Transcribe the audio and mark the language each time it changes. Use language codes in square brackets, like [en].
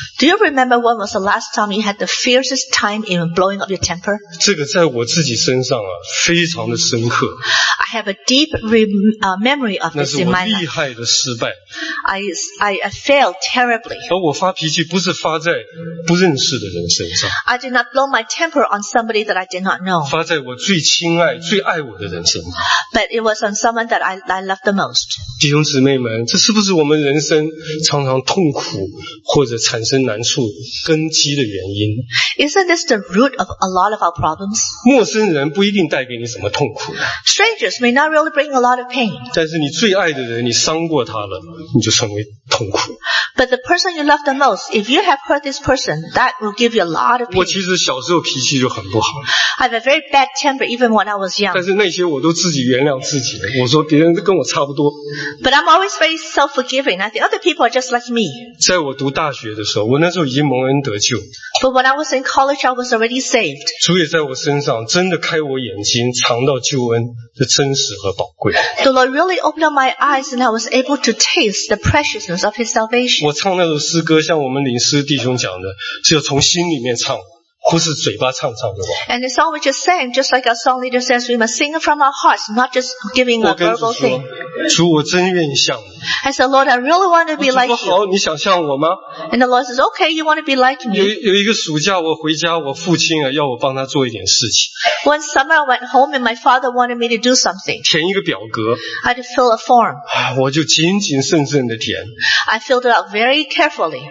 [en] ？Do you remember when was the last time you had the fiercest time in blowing up your temper？ [zh] 这个在我自己身上啊，非常的深刻。 [en] I have a deep memory of this in my life. [zh] 那是我厉害的失败。 [en] I failed terribly. [zh] 而我发脾气不是发在不认识的人身上。 [en] I did not blow my temper on somebody that I did not know. [zh] 发在我最亲爱、最爱我的人身上。 [en] But it was on someone that I loved the most. [zh] 弟兄姊妹们，这是不是我们人生常常痛苦或者产生难处根基的原因 [en] ？Isn't this the root of a lot of our problems？ [zh] 陌生人不一定带给你什么痛苦。 [en] Strangers may not really bring a lot of pain. [zh] 但是你最爱的人，你伤过他了，你就成为痛苦。 [en] But the person you love the most, if you have hurt this person, that will give you a lot of pain. [zh] 我其实小时候脾气就很不好。 [en] I have a very bad temper even when I was young. [zh] 但是那些我都自己原谅自己了。我说别人跟我差不多。 [en] But I'm always very self-forgiving. I think other people are just like me. [zh] 在我读大学的时候，我那时候已经蒙恩得救。 [en] But when I was in college, I was already saved. [zh] 主也在我身上真的开我眼睛，尝到救恩的真实和宝贵。 [en] The Lord really opened up my eyes, and I was able to taste the preciousness of His salvation. [zh] 我唱那首诗歌，像我们领诗弟兄讲的，是要从心里面唱。不是嘴巴唱唱的吧 [en] ？And the song we just sang, just like our song leader says, we must sing from our hearts, not just giving a verbal thing. [zh] 我跟主说，主，我真愿意像你。 [en] I said, Lord, I really want to be like you. [zh] 主说好，你想像我吗 [en] ？And the Lord says, okay, you want to be like me. [zh] 有一个暑假，我回家，我父亲啊，要我帮他做一点事情。 [en] One summer, I went home, and my father wanted me to do something. [zh] 填一个表格。 [en] I had to fill a form. [zh] 我就谨谨慎慎的填。 [en] I filled it out very carefully.